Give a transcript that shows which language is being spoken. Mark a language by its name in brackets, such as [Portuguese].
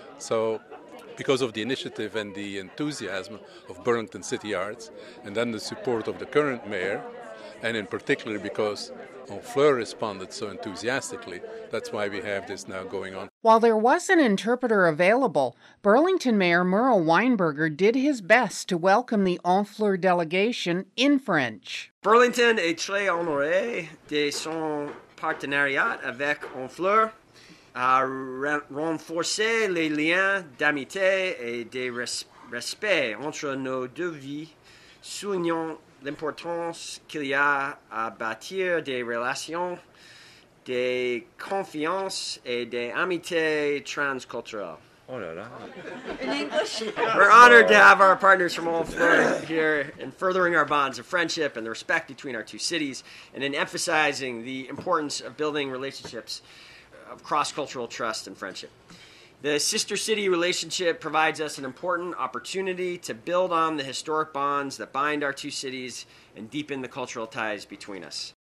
[English] So because of the initiative and the enthusiasm of Burlington City Arts, and then the support of the current mayor, and in particular because Honfleur responded so enthusiastically, that's why we have this now going on. While there was an interpreter available, Burlington Mayor Merle Weinberger did his best to welcome the Honfleur delegation in French. [French] Burlington est très honoré de son partenariat avec Honfleur, à renforcer les liens d'amitié et de respect entre nos deux villes, soulignant l'importance qu'il y a à bâtir des relations, des confiances et des amitiés transculturelles. Oh là là. [English] In English? We're honored to have our partners from Honfleur here in furthering our bonds of friendship and the respect between our two cities and in emphasizing the importance of building relationships of cross-cultural trust and friendship. The sister city relationship provides us an important opportunity to build on the historic bonds that bind our two cities and deepen the cultural ties between us.